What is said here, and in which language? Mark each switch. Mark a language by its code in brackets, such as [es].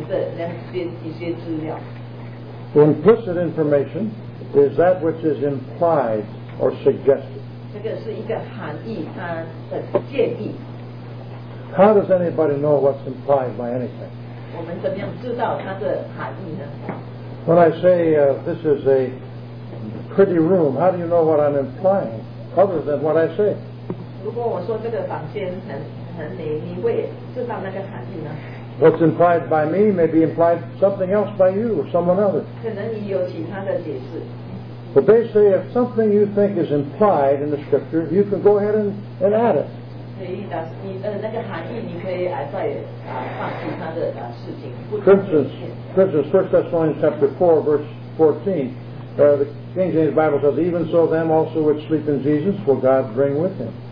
[zh] 他们的一个错误就是说，这个他们怎么样来回复这个不严明的那些资料 [en] ？Implicit information is that which is implied or suggested. [zh] 这个是一个含义，它的建议。 [en] How does anybody know what's implied by anything? [zh] 我们怎么样知道它的含义呢？ [en] When I say this is a pretty room, how do you know what I'm implying other than what I say? [zh] 如果我说这个房间很美，你会知道那个含义呢？ [en] What's implied by me may be implied something else by you or someone else. [zh] 可能你有其他的解释。 [en] But they say if something you think is implied in the scripture, you can go ahead and add it. [zh] 可以的，你那个含义你可以再放其他的事情。 [en] For instance, 1 Thessalonians chapter 4, verse 14, the King James Bible says, "Even so them also which sleep in Jesus will God bring with him."